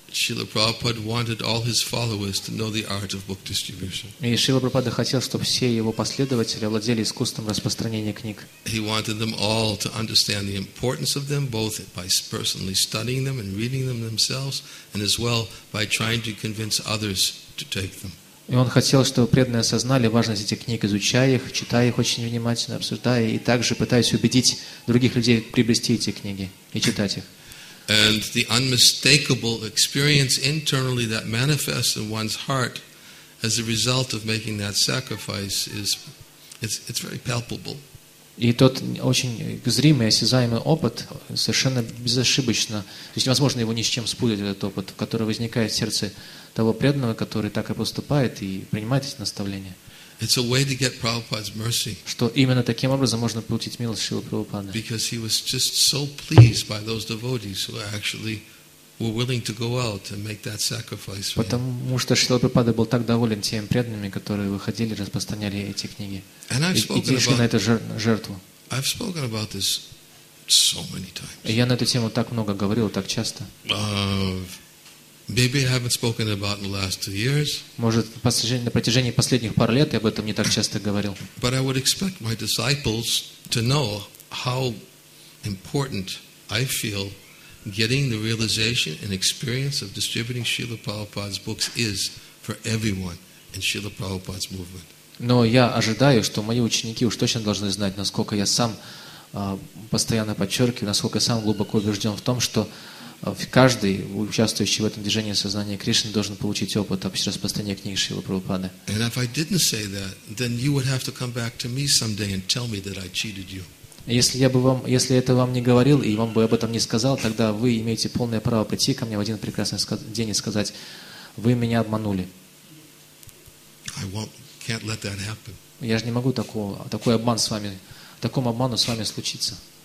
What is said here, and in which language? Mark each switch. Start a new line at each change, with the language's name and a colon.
English: Srila Prabhupada wanted all his followers to know the art of book distribution.
Russian: И Шрила Прабхупада хотел, чтобы все его последователи владели искусством распространения книг.
English: He wanted them all to understand the importance of them, both by personally studying them and reading them themselves, and as well by trying to convince others to take them.
Russian: И он хотел, чтобы преданные осознали важность этих книг, изучая их, читая их очень внимательно, обсуждая, и также пытаясь убедить других людей приобрести эти книги и читать их.
English: And the unmistakable experience internally that manifests in one's heart as a result of making that sacrifice is very palpable.
Russian: И тот очень зримый, осязаемый опыт, совершенно безошибочно, то есть невозможно его ни с чем спутать, этот опыт, который возникает в сердце того преданного, который так и поступает и принимает эти наставления.
English: It's a way to get Prabhupada's mercy.
Russian: Что именно таким образом можно получить милость Шрилы Прабхупады.
English: Because he was just so pleased by those devotees who actually were willing to go out and make that sacrifice.
Russian: Потому что Шрила Прабхупада был так доволен теми преданными, которые выходили, распространяли эти книги.
English: And I've spoken about,
Russian: на эту жертву.
English: I've spoken about this so many times.
Russian: Я на эту тему так много говорил, так часто.
English: Maybe I haven't spoken about in the last 2 years.
Russian: Может, на протяжении последних пару лет я об этом не так часто говорил.
English: But I would expect my disciples to know how important I feel getting the realization and experience of distributing Srila Prabhupada's books is for everyone in Srila Prabhupada's movement.
Russian: Но я ожидаю, что мои ученики уж точно должны знать, насколько я сам постоянно подчеркиваю, насколько я сам глубоко убежден в том, что каждый, участвующий в этом движении сознания Кришны, должен получить опыт распространения книг Шрилы Прабхупады.
English: And if I didn't say that, then you would have to come back to me someday and tell me that I cheated you.
Russian: Если это вам не говорил и вам бы об этом не сказал, тогда вы имеете полное право прийти ко мне в один прекрасный день и сказать: вы меня обманули.
English: Can't let that happen.
Russian: Я же не могу такой обман с вами, такому обману с вами случиться.